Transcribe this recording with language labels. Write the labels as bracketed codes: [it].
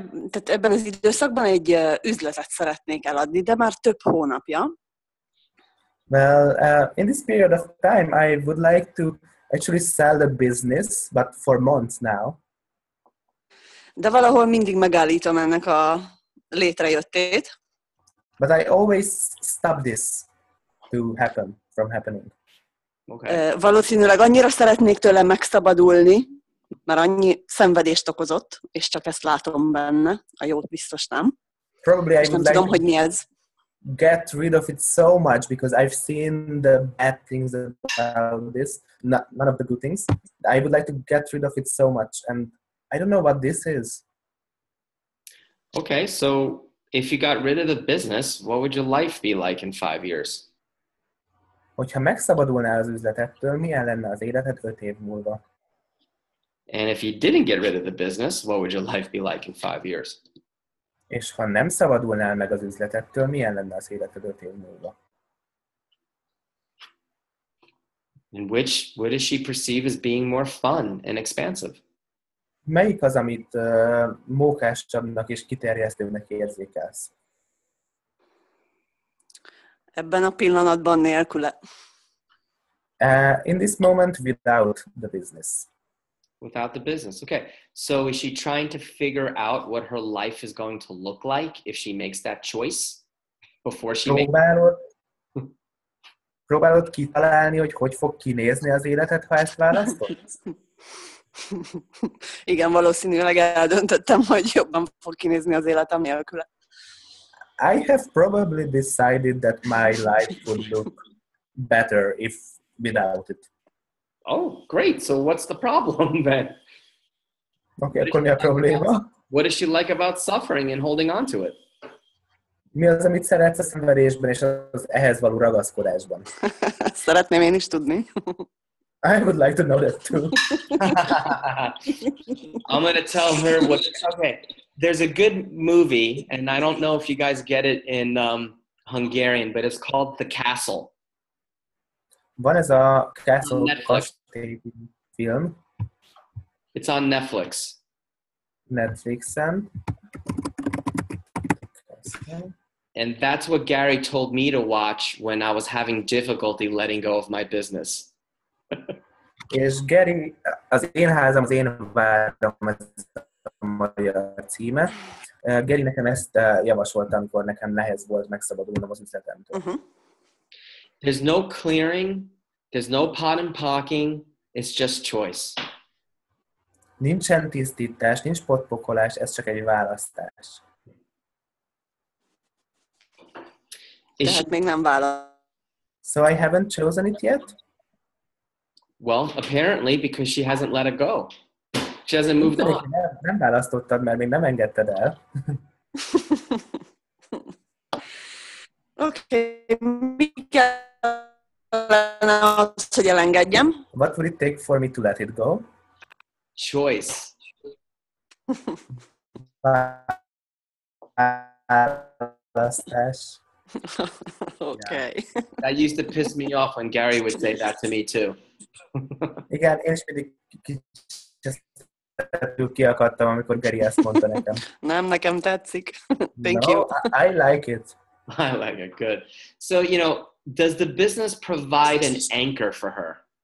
[hu] Tehát ebben az időszakban egy üzletet szeretnék eladni, de már több hónapja. [en] Well, in this period of time, I would like to actually sell the business, but for months now. [hu] De valahol mindig megállítom ennek a létrejöttét. [en] But I always stop this to happen, from happening. Okay. [hu] Valószínűleg annyira szeretnék tőle megszabadulni, mert annyi szenvedést okozott, és csak ezt látom benne, a jót biztos nem. [en] Probably [hu] és [en] I would [hu] nem tudom, [en] like [hu] hogy mi ez. [en] Get rid of it so much, because I've seen the bad things about this, none of the good things. I would like to get rid of it so much, and I don't know what this is. Okay, so if you got rid of the business, what would your life be like in 5 years? [hu] Hogyha megszabadulnál az üzletettől, milyen lenne az életed 5 év múlva? [en] And if you didn't get rid of the business, what would your life be like in 5 years? [hu] És ha nem szabadulnál meg az üzletettől, milyen lenne az életed 5 év múlva? [en] And which, what does she perceive as being more fun and expansive? [hu] Melyik az, amit mókásabbnak és kiterjesztőnek érzékelsz? Ebben a pillanatban nélküle. [en] In this moment, without the business. Without the business. Okay. So is she trying to figure out what her life is going to look like if she makes that choice before she makes it? [hu] Próbálod kitalálni, hogy fog kinézni az életed, ha ezt választod? Igen, valószínűleg eldöntöttem, hogy jobban fog kinézni az életem nélküle. [en] I have probably decided that my life would look better if without it. Oh, great. So what's the problem then? [hu] Okay, akkor mi a probléma? [en] What does she like about suffering and holding on to it? [hu] Mi az, amit szeretsz a szenvedésben és az ehhez való ragaszkodásban? Szeretném én is tudni. [en] I would like to know that too. I'm going to tell her what... Okay. There's a good movie, and I don't know if you guys get it in Hungarian, but it's called The Castle. [hu] Van ez a Castle kastély film. [en] It's on Netflix. [hu] Netflixen. [en] And that's what Gary told me to watch when I was having difficulty letting go of my business. [hu] És Gary, az én házam, az én várom, ez a magyar címe. Gary nekem ezt javasolta, amikor nekem nehéz volt megszabadulnom az üzletemtől. [en] There's no clearing, there's no pot and parking, it's just choice. [hu] Nincsen tisztítás, nincs potpokolás, ez csak egy választás. Tehát még nem választ. [en] So I haven't chosen it yet? Well, apparently, because she hasn't let it go. She hasn't moved on. [hu] Nem választottad, mert még nem engedted el. Okay, mi kellene az, hogy elengedjem? [en] What would it take for me to let it go? Choice. [hu] Választás. [en] Okay. That used to piss me off when Gary would say that to me too. [hu] Igen, én is mindig kicsit kiakadtam, amikor Gary ezt mondta nekem. Nem, nekem tetszik. Thank [en] no, you. I like it. I like it, good. So, you know, does the business provide an anchor for her?